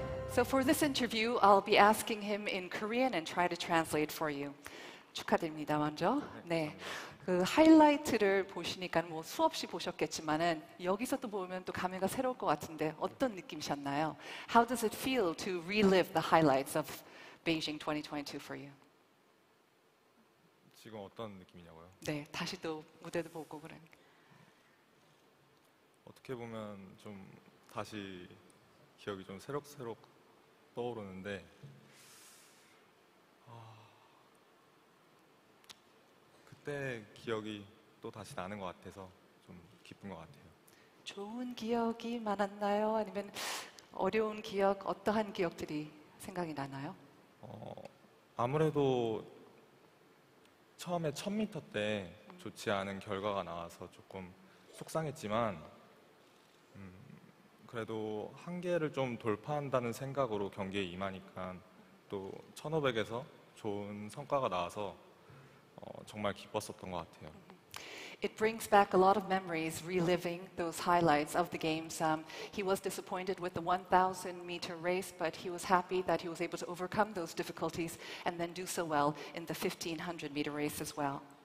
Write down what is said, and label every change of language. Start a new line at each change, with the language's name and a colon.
English: So for this interview, I'll be asking him in Korean and try to translate for you.
Korean: 축하드립니다, 먼저. 네, 그 하이라이트를 보시니까 뭐 수없이 보셨겠지만은 여기서 또 보면 또 감회가 새로울 것 같은데 어떤 느낌이셨나요? How does it feel to relive the highlights of Beijing 2022 for you? 지금 어떤 느낌이냐고요? 네, 다시 또 무대도 보고 그런. 어떻게 보면 좀 다시 기억이 좀 새록새록 떠오르는데 그때 기억이 또 다시 나는 것 같아서 좀 기쁜 것 같아요. 좋은 기억이 많았나요? 아니면 어려운 기억, 어떠한 기억들이 생각이 나나요? 아무래도 처음에 1000m 때 좋지 않은 결과가 나와서 조금 속상했지만 그래도 한계를 좀 돌파한다는 생각으로 경기에 임하니까 또 1500에서 좋은 성과가 나와서 정말 기뻤었던 것 같아요.
English: It brings back a lot of memories, reliving those highlights of the games. He was disappointed with the 1,000-meter race, but he was happy that he was able to overcome those difficulties and then do so well in the 1,500-meter race as well.